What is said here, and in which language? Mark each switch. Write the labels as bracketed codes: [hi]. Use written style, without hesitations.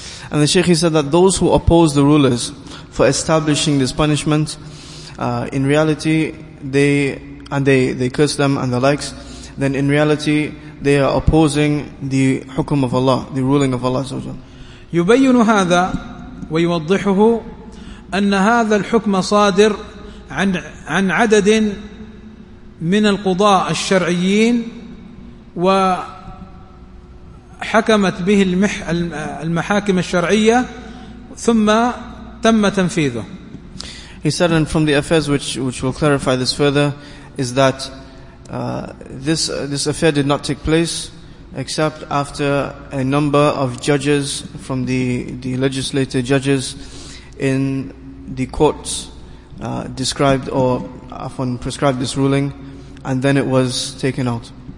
[en] And the Sheikh, he said that those who oppose the rulers for establishing this punishment, in reality, they curse them and the likes, then in reality, they are opposing the hukum of Allah, the ruling of Allah. [ar] يبين هذا ويوضحه أن هذا الحكم صادر عن عدد من القضاء الشرعيين و حكمت به المحاكم الشرعية ثم تم تنفيذه. [en] He said, and from the affairs which will clarify this further is that this affair did not take place except after a number of judges from the legislative judges in the courts described or often prescribed this ruling, and then it was taken out.